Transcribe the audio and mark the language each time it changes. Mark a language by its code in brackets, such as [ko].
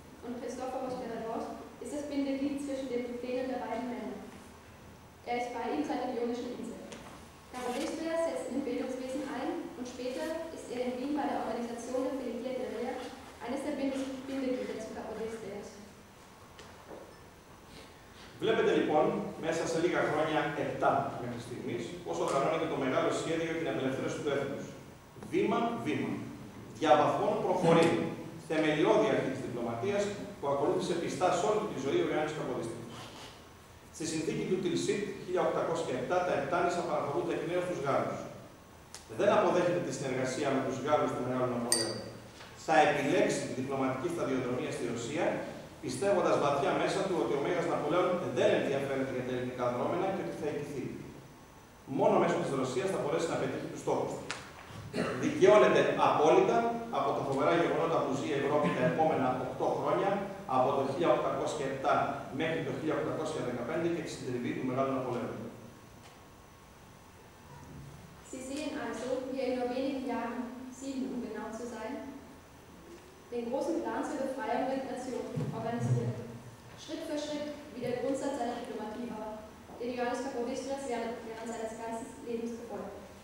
[de] Und Christophorus Pelagos ist das Bindeglied zwischen den Plänen der beiden Männer. Er ist bei ihm seit der Ionischen Insel. Karolisper setzt im Bildungswesen ein und später ist er in Wien bei der Organisation der Filiierte Rea eines der Bindeglieder zu Karolisper. [el] Βλέπετε λοιπόν μέσα σε λίγα χρόνια, 7 μέχρι στιγμή, πώς οργανώνεται το μεγάλο σχέδιο για την απελευθέρωση του έθνους. Βήμα-βήμα. Διαβαθμών προχωρεί. Θεμελιώδη αρχή της διπλωματίας που ακολούθησε πιστά σε όλη τη ζωή ο Ιωάννης Καποδίστρια. Στη συνθήκη του Τιλσίτ 1807, τα Επτάνησα παραχωρούνται εκ νέου στους Γάλλους. Δεν αποδέχεται τη συνεργασία με τους Γάλλους του Μεγάλου Ναπολέοντα. Θα επιλέξει την διπλωματική σταδιοδρομία στη Ρωσία, πιστεύοντας βαθιά μέσα του ότι ο Μέγας Ναπολέοντα δεν ενδιαφέρεται για τα ελληνικά δρόμενα και ότι θα ηγηθεί. Μόνο μέσω της Ρωσίας θα μπορέσει να πετύχει τους στόχους του. Δικαιώνεται απόλυτα από τα φοβερά γεγονότα που ζει η Ευρώπη τα επόμενα 8 χρόνια. Από το 1807 μέχρι το 1815 και τη συντριβή του Μεγάλου Ναπολέοντα. [de] Sie sehen also, wie er in nur wenigen Jahren, 7 um genau zu sein, den großen Plan zur Befreiung der Nation organisiert. Schritt für Schritt, wie der Grundsatz seiner Diplomatie war, den Johannes Kapodistrias während seines ganzen Lebens gefolgt.